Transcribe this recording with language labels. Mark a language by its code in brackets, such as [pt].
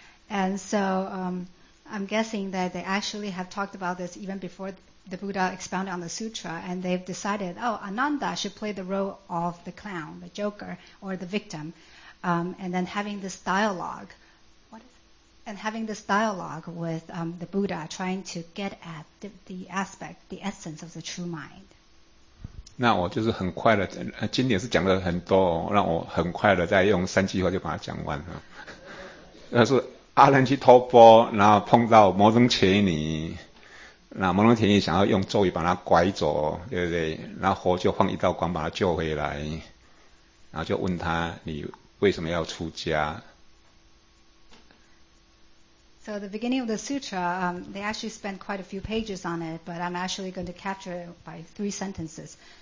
[en] And so I'm guessing that they actually have talked about this even before the Buddha expounded on the sutra, and they've decided, oh, Ananda should play the role of the clown, the joker, or the victim, and then having this dialogue. And having this dialogue with the Buddha, trying to get at the aspect, the essence of the true mind. [zh] 那我就是很快的，经典是讲了很多，让我很快的再用三句话就把它讲完了。那是阿难去偷钵，然后碰到摩登伽尼，那摩登伽尼想要用咒语把他拐走，对不对？然后佛就放一道光把他救回来，然后就问他：你为什么要出家？ [en] So the beginning of the sutra, they actually spent quite a few pages on it, but I'm actually going to capture it by three sentences.